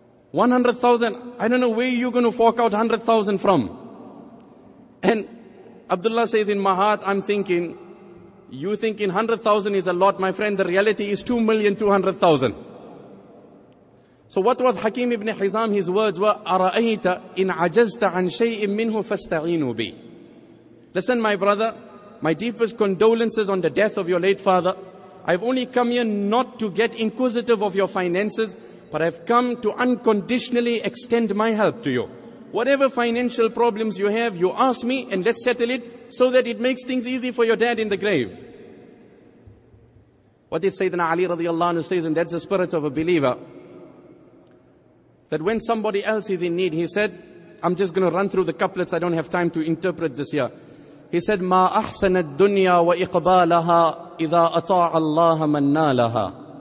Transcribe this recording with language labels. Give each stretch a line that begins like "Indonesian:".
English: 100,000, I don't know where you're going to fork out 100,000 from. And Abdullah says, in my heart, I'm thinking, you thinking 100,000 is a lot, my friend, the reality is 2,200,000. So what was Hakim ibn Hizam?
Arabic: His words were, أَرَأَيْتَ إِنْ عَجَزْتَ عَنْ شَيْءٍ مِّنْهُ فَاسْتَعِينُوا بِي.
English: Listen, my brother, my deepest condolences on the death of your late father. I've only come here not to get inquisitive of your finances, but I've come to unconditionally extend my help to you. Whatever financial problems you have, you ask me and let's settle it so that it makes things easy for your dad in the grave. What did Sayyidina Ali radiallahu anhu say? And that's the spirit of a believer. That when somebody else is in need, he said, I'm just going to run through the couplets, I don't have time to interpret this here.
Arabic: He said, مَا أَحْسَنَ الدُّنْيَا وَإِقْبَالَهَا إِذَا أَطَاعَ اللَّهَ مَنَّا لَهَا.